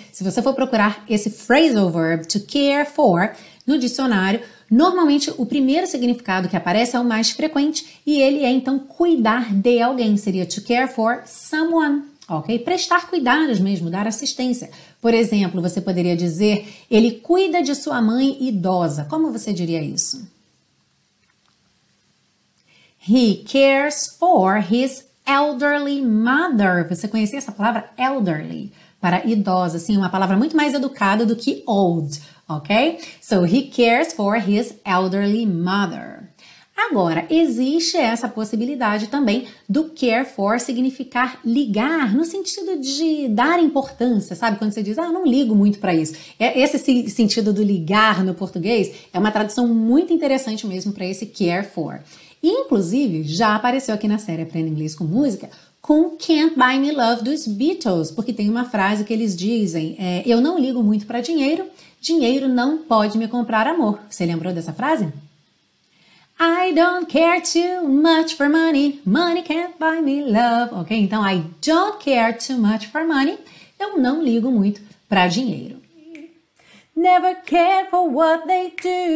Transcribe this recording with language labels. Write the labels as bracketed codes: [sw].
[pt] Se você for procurar esse phrasal verb to care for no dicionário, normalmente o primeiro significado que aparece é o mais frequente e ele é então cuidar de alguém, seria [en] to care for someone. [pt] Ok? Prestar cuidados mesmo, dar assistência. Por exemplo, você poderia dizer: ele cuida de sua mãe idosa. Como você diria isso? [en] He cares for his elderly mother. [pt] Você conhecia essa palavra elderly? Para idosa, sim, uma palavra muito mais educada do que old, ok? [en] So he cares for his elderly mother. [pt] Agora, existe essa possibilidade também do care for significar ligar, no sentido de dar importância, sabe? Quando você diz, ah, não ligo muito para isso. Esse sentido do ligar no português é uma tradução muito interessante mesmo para esse care for. Inclusive, já apareceu aqui na série Aprenda Inglês com Música com Can't Buy Me Love dos Beatles, porque tem uma frase que eles dizem: eu não ligo muito para dinheiro, dinheiro não pode me comprar amor. Você lembrou dessa frase? [en] I don't care too much for money. Money can't buy me love. Ok? Então, I don't care too much for money. [pt] Eu não ligo muito para dinheiro. [en] Never care for what they do.